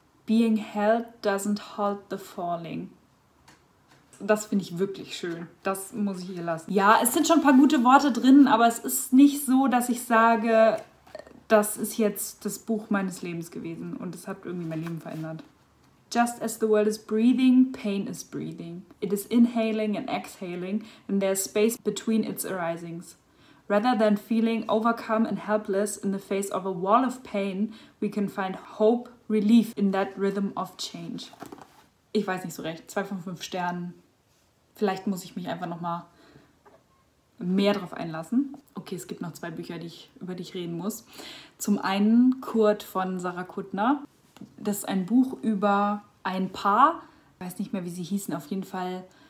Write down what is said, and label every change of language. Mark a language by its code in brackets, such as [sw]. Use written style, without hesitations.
[en] Being held doesn't halt the falling. [de] Das finde ich wirklich schön. Das muss ich hier lassen. Ja, es sind schon ein paar gute Worte drin, aber es ist nicht so, dass ich sage, das ist jetzt das Buch meines Lebens gewesen und es hat irgendwie mein Leben verändert. [en] Just as the world is breathing, pain is breathing. It is inhaling and exhaling and there's space between its arisings. Rather than feeling overcome and helpless in the face of a wall of pain, we can find hope, relief in that rhythm of change. [de] Ich weiß nicht so recht. 2 von 5 Sternen. Vielleicht muss ich mich einfach noch mal mehr drauf einlassen. Okay, es gibt noch 2 Bücher, über die ich reden muss. Zum einen Kurt von Sarah Kuttner. Das ist ein Buch über ein Paar. Ich weiß nicht mehr, wie sie hießen. Auf jeden Fall